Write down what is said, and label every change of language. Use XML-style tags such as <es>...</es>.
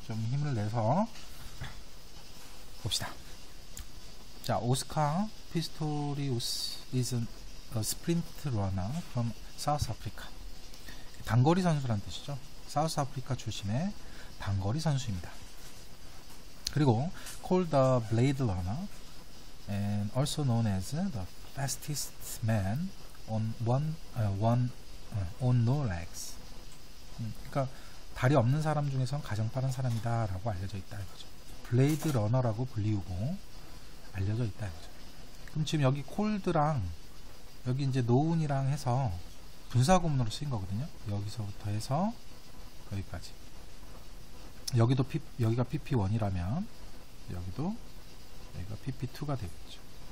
<ko>좀 힘을 내서 봅시다.</ko> <en>자, 오스카 피스토리우스 is a sprint runner from South Africa.</en> <ko>단거리 선수란 뜻이죠. 사우스 아프리카 출신의 단거리 선수입니다.</ko> <en>그리고 called the blade runner and also known as the fastest man on no legs.</en> <ko>그러니까 다리 없는 사람 중에서는 가장 빠른 사람이다 라고 알려져 있다 이거죠. 블레이드 러너라고 불리우고 알려져 있다 이거죠. 그럼 지금 여기 콜드랑 여기 이제 노운이랑 해서 분사구문으로 쓰인 거거든요. 여기서부터 해서 여기까지 여기도 여기가 PP1이라면 여기가 PP2가 되겠죠.</ko>